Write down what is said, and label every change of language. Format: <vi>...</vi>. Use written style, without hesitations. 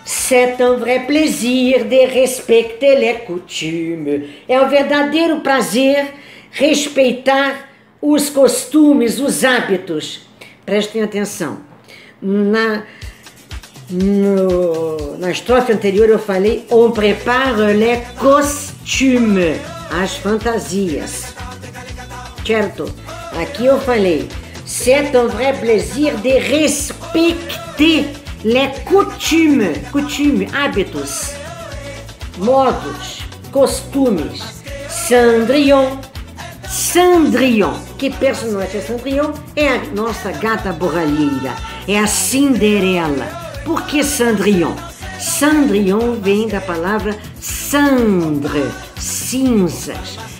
<fr>C'est un vrai plaisir de respecter les coutumes.</fr> <pt>É um verdadeiro prazer respeitar os costumes, os hábitos. Prestem atenção. Na estrofe anterior eu falei</pt> <fr>on prépare les costumes,</fr> <pt>as fantasias. Certo? Aqui eu falei</pt> <fr>c'est un vrai plaisir de respecter les coutumes,</fr> <pt>coutumes, hábitos, modos, costumes. Cendrillon, Cendrillon, que personagem é Cendrillon? É a nossa gata borralheira, é a Cinderela. Por que Cendrillon? Cendrillon vem da palavra cendre, cinzas.</pt>